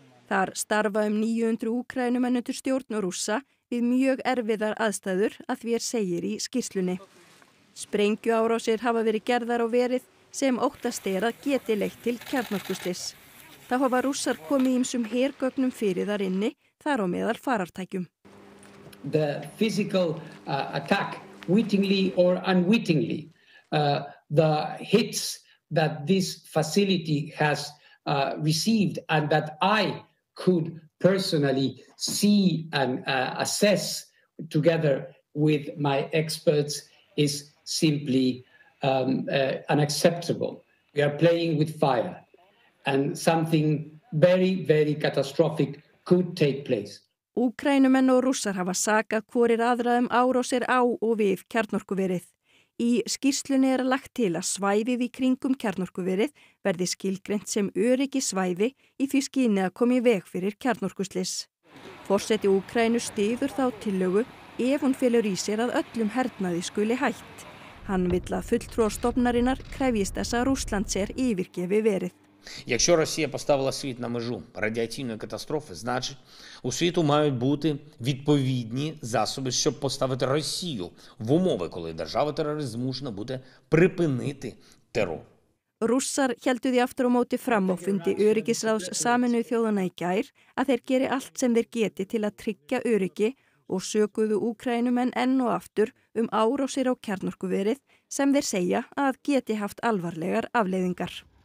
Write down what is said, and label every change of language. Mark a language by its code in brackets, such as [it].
[is] Þar starfa 900 Úkraínumenn undir stjórn Rússa við mjög erfiðar aðstæður að því segir í skýrslunni. Sprengjuárásir hafa verið gerðar á verið sem óttast að geti leitt til kjarnorkuslyss. Þá hafa Rússar komið ýmsum hergögnum fyrir þar inni, þar á meðal farartækjum. [en] The physical attack, wittingly or unwittingly, the hits that this facility has received and that I could personally see and assess together with my experts is simply unacceptable. We are playing with fire and something very, very catastrophic could take place. [is] Úkraínumenn og Rússar hafa sakað hvorir aðra árásir á og við kjarnorkuverið. Í skýrslunni lagt til að svæðið í kringum kjarnorkuverið verði skilgreint sem öryggissvæði í því skyni að koma í veg fyrir kjarnorkuslyss. Forseti Úkraínu styður þá tillögu ef hún felur í sér að öllum hernaði skuli hætt. Hann vill að fulltrúar stofnarinnar krefjist þess að Rússland sér yfirgefi verið. [uk] Якщо Росія поставила світ на межу радіаційної катастрофи, значить, у світу мають бути відповідні засоби, щоб поставити Росію в умови, коли держава-терорист змушена буде припинити терор. [is] Rússar héldu því aftur á móti fram á fundi öryggisráðs Sameinuðu þjóðanna í gær að þeir geri allt sem þeir geti til að tryggja öryggi og sökuðu Úkraínumenn enn og aftur árásir á kjarnorkuverið sem þeir segja að geti haft alvarlegar afleiðingar.